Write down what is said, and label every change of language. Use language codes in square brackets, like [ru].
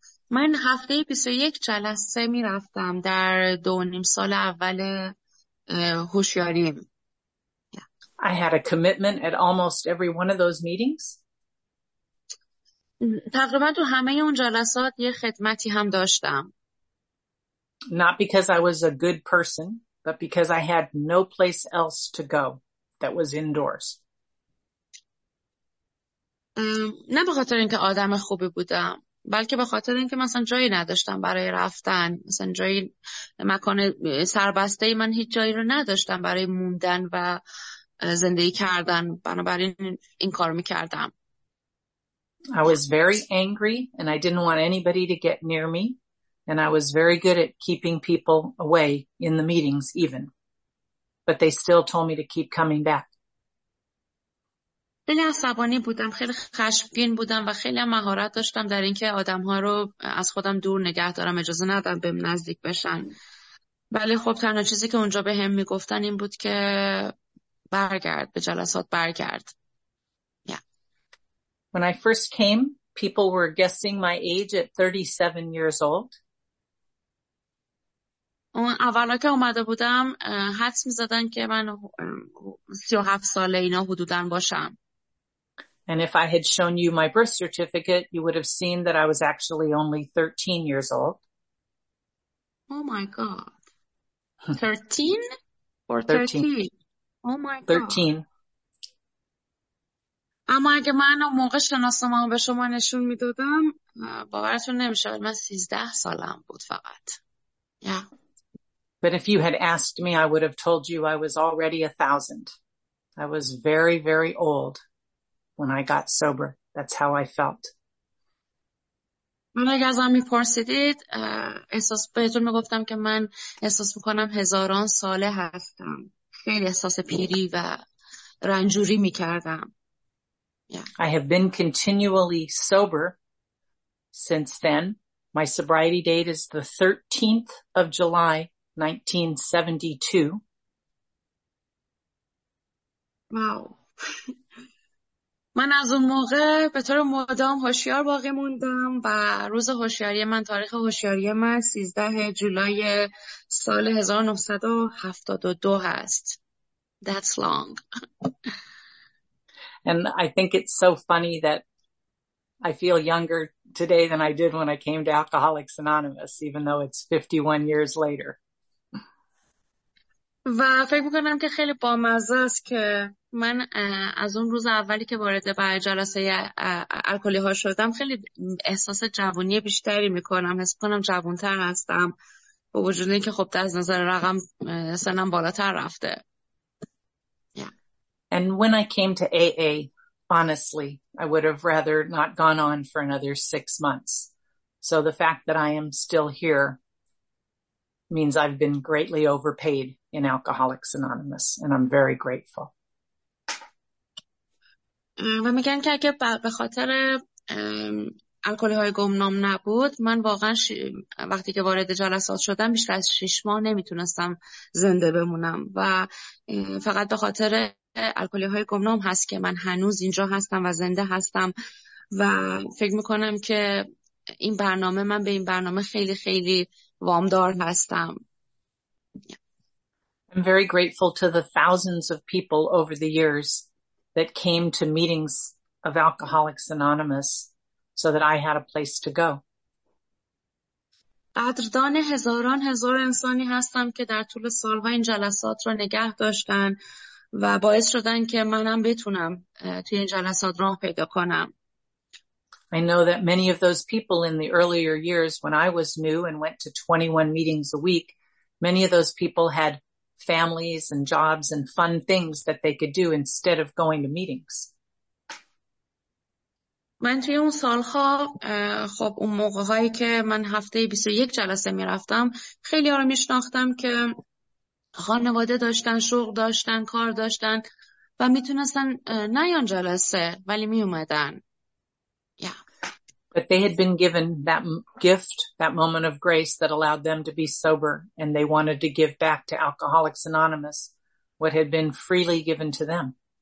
[fa] من هفته 21 جلسه می رفتم در 2.5 سال اول هوشیاریم. [en] I had a commitment at almost every one of those meetings. [fa] تقریبا تو همه اون جلسات یه خدمتی هم داشتم. [en] Not because I was a good person, but because I had no place else to go that was indoors. [fa] نه به خاطر اینکه آدم خوبی بودم، بلکه به خاطر اینکه مثلا جایی نداشتم برای رفتن، مثلا جایی مکان سربسته ای من هیچ جایی رو نداشتم برای موندن و زندگی کردن، بنابراین این کار میکردم. [en] I was very angry and I didn't want anybody to get near me and I was very good at keeping people away in the meetings even. But they still told me to keep coming back. [fa] خیلی عصبانی بودم، خیلی خشمگین بودم و خیلی هم مهارت داشتم در اینکه آدم‌ها رو از خودم دور نگه دارم، اجازه ندادم به نزدیک بشن. ولی خب تنها چیزی که اونجا به هم میگفتن این بود که برگرد، به جلسات برگرد. [en] When I first came, people were guessing my age at 37 years old. [fa] اولا که اومده بودم حدس می‌زدن که من 37 ساله اینا حدوداً باشم. [en] And if I had shown you my birth certificate, you would have seen that I was actually only 13 years old. Oh my God. 13? Or 13? Oh my God. 13. [fa] اما اگه من موقع شناسنامه به شما نشون میدادم، باورتون نمیشد. من 13 سالم بود فقط. [en] Yeah. But if you had asked me, I would have told you I was already 1,000. I was very, very old. When I got sober, that's how I felt. [fa] من اگه ازم میپرسیدید احساس بهتون میگفتم که من احساس میکنم هزاران ساله هستم. خیلی احساس پیری و رنجوری میکردم. [en] I have been continually sober since then. My sobriety date is the 13th of July, 1972. Wow. [fa] من از اون موقع به طور مدام هوشیار باقی موندم و روز هوشیاری من، تاریخ هوشیاری من 13 جولای سال 1972 هست. [en] That's long. And I think it's so funny that I feel younger today than I did when I came to Alcoholics Anonymous, even though it's 51 years later. [fa] و فکر میکنم که خیلی بامزه است که من از اون روز اولی که وارد به جلسه الکلی ها شدم خیلی احساس جوانی بیشتری میکنم، حس میکنم جوانتر هستم با وجود اینکه خب از نظر رقم سنم بالاتر رفته. [en] Yeah. And when I came to AA, honestly, I would have rather not gone on for another 6 months. So the fact that I am still here means I've been greatly overpaid in Alcoholics Anonymous, and I'm very grateful. [fa] و میگن که اگه به خاطر الکلی های گمنام نبود، من واقعا وقتی که وارد جلسات شدم بیشتر از 6 ماه نمیتونستم زنده بمونم و فقط به خاطر الکلی های گمنام هست که من هنوز اینجا هستم و زنده هستم و فکر میکنم که این برنامه، من به این برنامه خیلی خیلی وامدار هستم. [en] I'm very grateful to the thousands of people over the years that came to meetings of Alcoholics Anonymous so that I had a place to go. [fa] قدردان هزاران هزار انسانی هستم که در طول سالها این جلسات رو نگه داشتن و باعث شدن که منم بتونم توی این جلسات راه پیدا کنم. [en] I know that many of those people in the earlier years when I was new and went to 21 meetings a week, many of those people had families and jobs and fun things that they could do instead of going to meetings. [fa] من توی اون سالها، خب اون موقعهایی که من هفته 21 جلسه میرفتم، خیلی ها رو میشناختم که خانواده داشتن، شغل داشتن، کار داشتن و میتونستن نیان جلسه ولی میومدن. [en] Yeah. But they had been given that gift, that moment of grace that allowed them to be sober, and they wanted to give back to Alcoholics Anonymous what had been freely given to them.